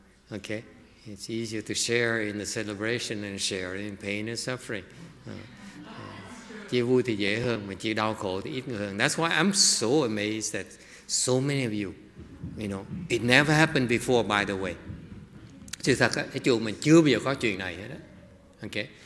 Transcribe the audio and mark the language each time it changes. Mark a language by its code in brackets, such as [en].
[en] Okay. It's easier to share in the celebration than share in pain and suffering. [vi] Chia vui thì dễ hơn, mà chia đau khổ thì ít người hơn. [en] That's why I'm so amazed that so many of you, you know, it never happened before, by the way. [vi] Sự thật á, cái chùa mình chưa bao giờ có chuyện này hết á. Okay.